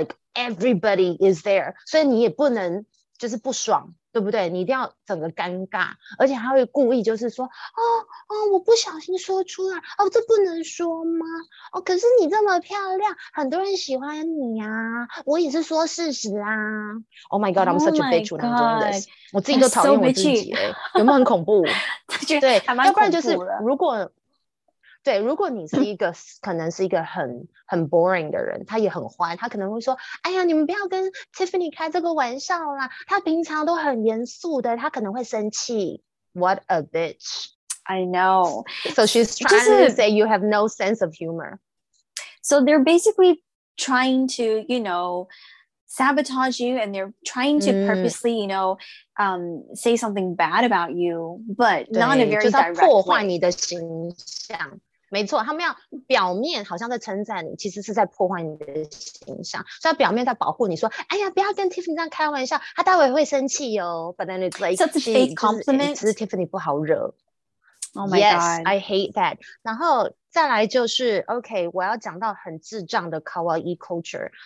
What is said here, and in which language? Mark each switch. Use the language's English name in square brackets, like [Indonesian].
[English] like everybody is there， [Chinese] 所以你也不能就是不爽。对不对？你一定要整个尴尬，而且他会故意就是说，哦哦，我不小心说出来，哦，这不能说吗？哦，可是你这么漂亮，很多人喜欢你啊，我也是说事实啊。 [English] Oh my god, I'm such a bitch when I'm doing this. [Chinese] 我自己都讨厌我自己、欸，有没有很恐怖？对，要不然就是如果。对，如果你是一个可能是一个很 boring 的人，他也很坏，他可能会说哎呀，你们不要跟 Tiffany 开这个玩笑啦，他平常都很严肃的，他可能会生气。 [English] What a bitch. I know. So she's trying、 [Chinese] 就是、 [English] to say you have no sense of humor. So they're basically trying to, you know, sabotage you, and they're trying to purposely, you know, say something bad about you, but not a very direct way. [Chinese] 就是要破坏你的形象。没错，他们要表面好像在称赞你，其实是在破坏你的形象。所以表面在保护你，说：“哎呀，不要跟 Tiffany 这样开玩笑，他待会会生气哟。” [English] But then it's like such a big compliment. [Chinese] 只是 Tiffany 不好惹。 [English] Oh my yes, god, I hate that. [Chinese] 然后再来就是 OK， 我要讲到很智障的 Kawaii culture。